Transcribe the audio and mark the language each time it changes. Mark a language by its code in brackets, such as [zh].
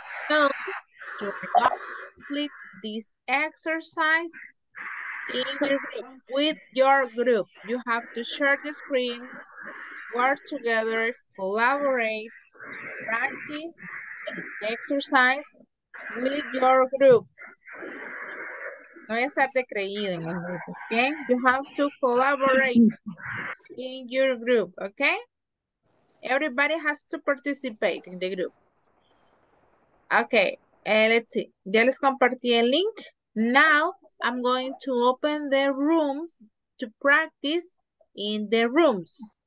[en] So to complete this exercise in your group, with your group, you have to share the screen. Work together, collaborate, practice, exercise with your group. [es] No estar de creído en el grupo, okay? [en] You have to collaborate in your group, okay? Everybody has to participate in the group. Okay, let's see. [es] Ya les compartí el link. [en] Now, I'm going to open the rooms to practice in the rooms.